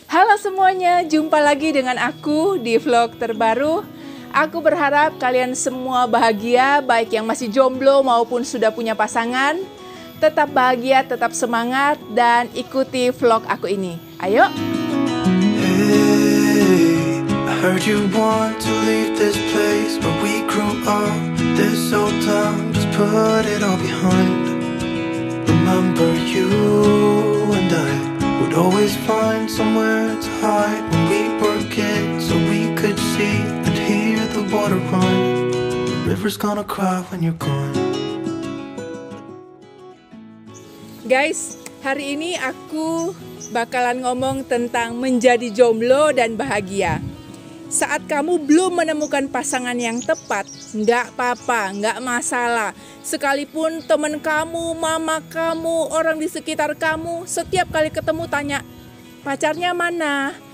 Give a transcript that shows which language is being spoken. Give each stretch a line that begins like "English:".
Indonesian: Halo semuanya, jumpa lagi dengan aku di vlog terbaru. Aku berharap kalian semua bahagia, baik yang masih jomblo maupun sudah punya pasangan. Tetap bahagia, tetap semangat, dan ikuti vlog aku ini. Ayo!
English: Hey, I heard you want to leave this place where we grew up. This old town, just put it all behind. Remember you and I would always find somewhere to hide when we were kids, so we could see and hear the water run. The river's gonna cry when you're gone.
Indonesian: Guys, hari ini aku bakalan ngomong tentang menjadi jomblo dan bahagia. Saat kamu belum menemukan pasangan yang tepat, gak apa-apa, gak masalah. Sekalipun teman kamu, mama kamu, orang di sekitar kamu, setiap kali ketemu tanya, pacarnya mana?